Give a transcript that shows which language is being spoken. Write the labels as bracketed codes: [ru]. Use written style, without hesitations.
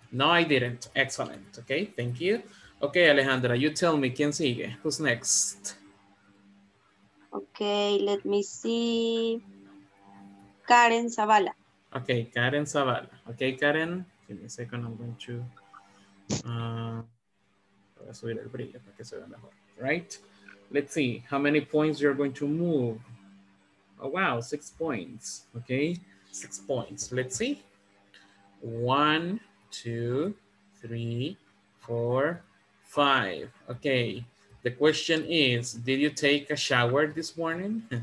[en] No, I didn't. Excellent. Okay, thank you. Okay, Alejandra, you tell me. [es] ¿Quién sigue? [en] Who's next? Okay, let me see. Karen Zavala. Okay, Karen Zavala. Okay, Karen, give me a second, I'm going to... [es] voy a subir el brillo para que se vea mejor. [en] Right? Let's see, how many points you're going to move? Oh, wow, 6 points. Okay, 6 points. Let's see. 1, 2, 3, 4, 5. Okay, the question is, did you take a shower this morning?